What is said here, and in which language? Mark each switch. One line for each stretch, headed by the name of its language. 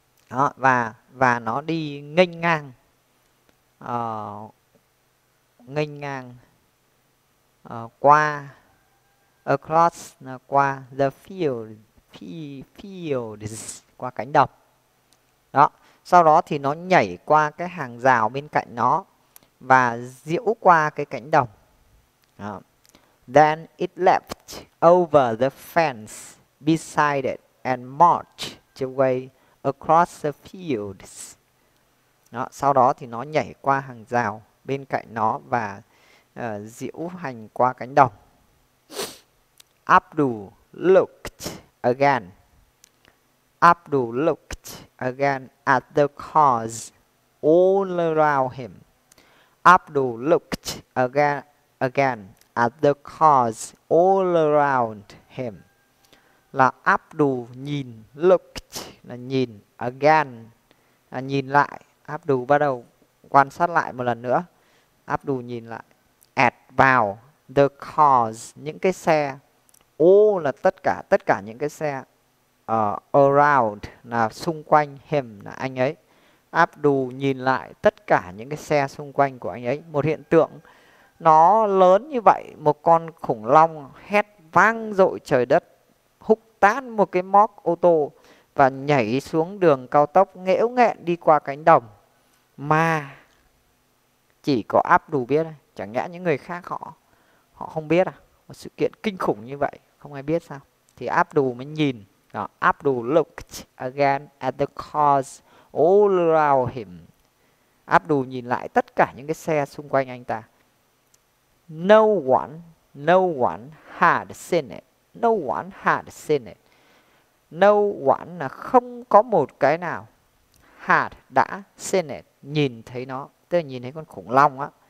Vietnamese: Đó, và nó đi nghênh ngang, nghênh ngang qua,
English: across,
Vietnamese: qua
English: the field, fields,
Vietnamese: qua cánh đồng. Đó, sau đó thì nó nhảy qua cái hàng rào bên cạnh nó và diễu qua cái cánh đồng. Đó.
English: Then it leapt over the fence beside it and marched away across the fields.
Vietnamese: Đó, sau đó thì nó nhảy qua hàng rào bên cạnh nó và diễu hành qua cánh đồng.
English: Abdul looked again. Abdul looked again at the cars all around him. Abdul looked again at the cars all around him.
Vietnamese: Là Abdul nhìn,
English: looked
Vietnamese: là nhìn,
English: again
Vietnamese: là nhìn lại. Abdul bắt đầu quan sát lại một lần nữa. Abdul nhìn lại.
English: At
Vietnamese: vào
English: the cars,
Vietnamese: những cái xe.
English: All
Vietnamese: là tất cả những cái xe.
English: Around
Vietnamese: là xung quanh,
English: him
Vietnamese: là anh ấy. Abdul nhìn lại tất cả những cái xe xung quanh của anh ấy. Một hiện tượng nó lớn như vậy, một con khủng long hét vang dội trời đất, húc tán một cái móc ô tô và nhảy xuống đường cao tốc nghễu nghệ đi qua cánh đồng mà chỉ có Abdul biết đây. Chẳng lẽ những người khác họ họ không biết à? Một sự kiện kinh khủng như vậy không ai biết sao? Thì Abdul mới nhìn.
English: Đó, Abdul looked again at the cars all around him.
Vietnamese: Abdul nhìn lại tất cả những cái xe xung quanh anh ta.
English: No one had seen it. No one had seen it. No one
Vietnamese: là không có một cái nào.
English: Had
Vietnamese: đã,
English: seen it,
Vietnamese: nhìn thấy nó, tức là nhìn thấy con khủng long á.